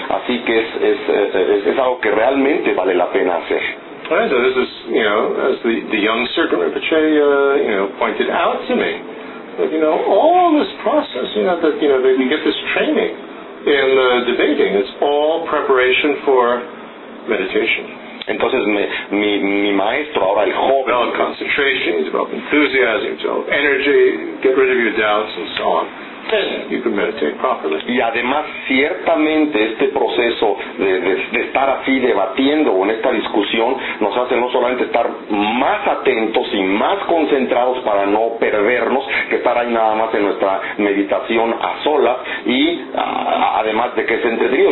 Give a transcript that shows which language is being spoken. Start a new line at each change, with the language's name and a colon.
Spanish: Así que es algo que realmente vale la pena hacer.
English: Right, so this is, you know, as the young Sergio Rinpoche, you know, pointed out to me, that, you know, all this process, you know, that, you know, that you get this training in debating, it's all preparation for meditation.
Spanish: Entonces mi maestro, ahora el joven,
English: develop concentration, develop enthusiasm, develop energy, get rid of your doubts and so on. You can meditate properly.
Spanish: Y además, ciertamente, este proceso de estar así debatiendo o en esta discusión nos hace no solamente estar más atentos y más concentrados para no perdernos, que estar ahí nada más en nuestra meditación a solas, y además de que es entretenido.